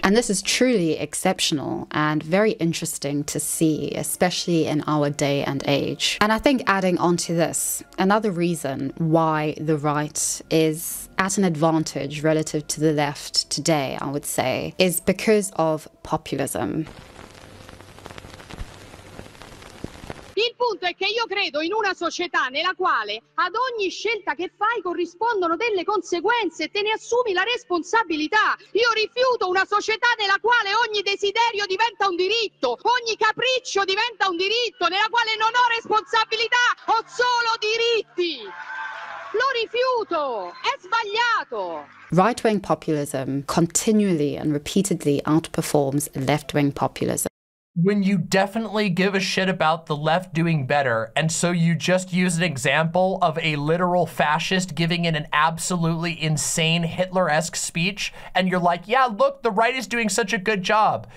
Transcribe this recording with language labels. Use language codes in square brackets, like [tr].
[en] And this is truly exceptional and very interesting to see, especially in our day and age. And I think adding on to this, another reason why the right is at an advantage relative to the left today, I would say, is because of populism. [it] Il punto è che io credo in una società nella quale ad ogni scelta che fai corrispondono delle conseguenze e te ne assumi la responsabilità. Io rifiuto una società nella quale ogni desiderio diventa un diritto, ogni capriccio diventa un diritto, nella quale non ho responsabilità, ho solo diritti. Lo rifiuto, è sbagliato. [en] Right-wing populism continually and repeatedly outperforms left-wing populism. When you definitely give a shit about the left doing better, and so you just use an example of a literal fascist giving in an absolutely insane Hitler-esque speech, and you're like, yeah, look, the right is doing such a good job.